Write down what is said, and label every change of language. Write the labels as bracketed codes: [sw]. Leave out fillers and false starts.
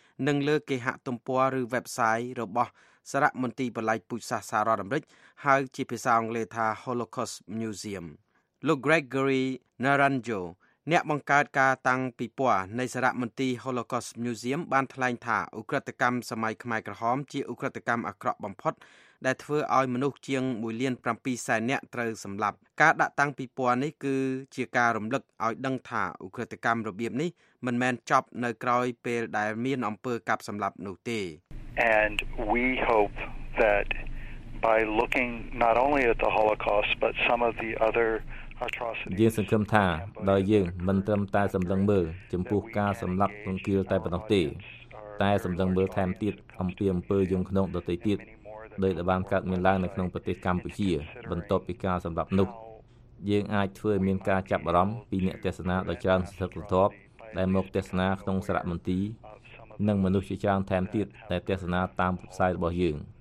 [km] និងលើគេហទំព័រឬ website របស់សារមន្ទីរប្រឡាយពូជសាសន៍សហរដ្ឋអាមេរិកហៅជាភាសាអង់គ្លេសថា Holocaust Museum លោក Gregory Naranjo អ្នកបង្កើតការតាំងពិព័រណ៍នៃសារមន្ទីរ Holocaust Museum បានថ្លែងថាឧក្រិដ្ឋកម្មសម័យខ្មែរក្រហមជាឧក្រិដ្ឋកម្មអាក្រក់បំផុតដែលធ្វើឲ្យមនុស្សជាង 1,700,000 នាក់ត្រូវសម្លាប់ការដាក់តាំងពិព័រណ៍នេះគឺជាការរំលឹកឲ្យដឹងថាឧក្រិដ្ឋកម្មរបៀបនេះមិនមែនចប់នៅក្រោយពេលដែលមានអំពើកាប់សម្លាប់នោះទេ [en] And we hope that by looking not only at the Holocaust but some of the other [km] យើងសង្ឃឹមថាដោយយើងមិនត្រឹមតែសម្លឹងមើលចំពោះការសម្លាប់ទង្គិលតែប៉ុណ្ណោះទេតែសម្លឹងមើលថែមទៀតអំពីអំពើយំក្នុងដតីទៀតដែលបានកើតមានឡើងនៅក្នុងប្រទេសកម្ពុជាបន្ទាប់ពីការសម្លាប់នោះយើងអាចធ្វើឲ្យមានការចាប់អារម្មណ៍ពីអ្នកទេសនាដ៏ច្រើនសន្ធឹកសន្ធាប់ដែលមកទេសនាក្នុងសារមន្ទីរនិងមនុស្សជាច្រើនថែមទៀតដែលទេសនាតាមផ្សាយរបស់យើង